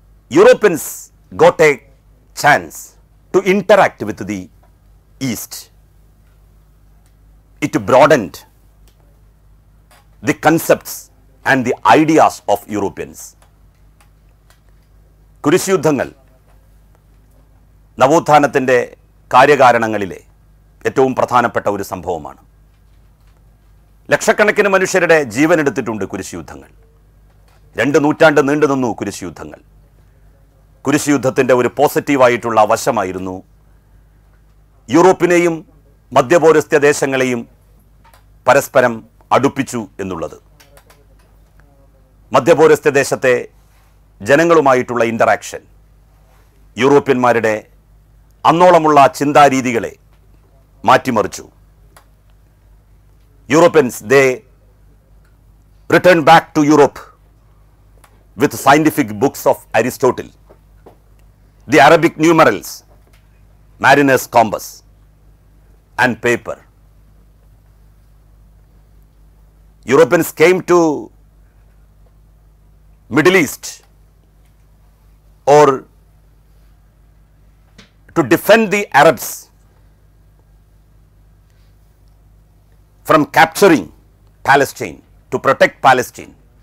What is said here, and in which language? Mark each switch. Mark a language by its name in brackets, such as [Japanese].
[English] Europeans got a chance to interact with the East. It broadened the concepts and the ideas of Europeans. [Malayalam] കുരിശുയുദ്ധങ്ങൾ നവോത്ഥാനത്തിൻ്റെ കാര്യകാരണങ്ങളിലെ ഏറ്റവും പ്രധാനപ്പെട്ട ഒരു സംഭവമാണ്. ലക്ഷക്കണക്കിന് മനുഷ്യരുടെ ജീവൻ എടുത്തിട്ടുണ്ട് കുരിശുയുദ്ധങ്ങൾ. 2 നൂറ്റാണ്ട് നീണ്ടു നിന്നു കുരിശുയുദ്ധങ്ങൾ. കുരിശുയുദ്ധത്തിൻ്റെ ഒരു പോസിറ്റീവായിട്ടുള്ള വശമായിരുന്നു യൂറോപ്പിനെയും മധ്യപൗരസ്ത്യ ദേശങ്ങളെയും പരസ്പരം അടുപ്പിച്ചു എന്നുള്ളത്. മധ്യപൗരസ്ത്യ ദേശത്തെ ജനങ്ങളുമായിട്ടുള്ള ഇൻ്ററാക്ഷൻ യൂറോപ്യന്മാരുടെ അന്നോളമുള്ള ചിന്താരീതികളെ മാറ്റിമറിച്ചു. [English] Europeans they return back to Europe with scientific books of Aristotle, the Arabic numerals, mariners compass and paper. Europeans came to Middle East or to defend the Arabs from capturing Palestine, to protect Palestine.